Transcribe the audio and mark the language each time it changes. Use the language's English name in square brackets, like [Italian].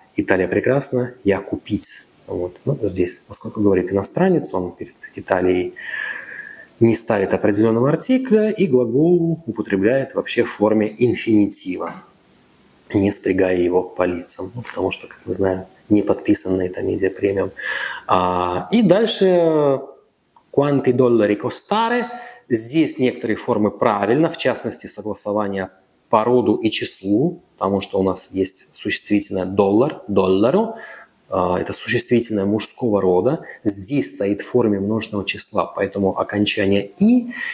[Russian] «Италия прекрасна, я купить». Вот. Ну, здесь, поскольку говорит иностранец, он перед Италией не ставит определенного артикля и глагол употребляет вообще в форме инфинитива, не спрягая его по лицам, ну, потому что, как мы знаем, не подписан на это медиа премиум. [Italian] И дальше «Quanti dollari costare?» [Russian] Здесь некоторые формы правильно, в частности, согласование по роду и числу, потому что у нас есть существительное «доллар», «долларо». Это существительное мужского рода. Здесь стоит в форме множественного числа, поэтому окончание «и».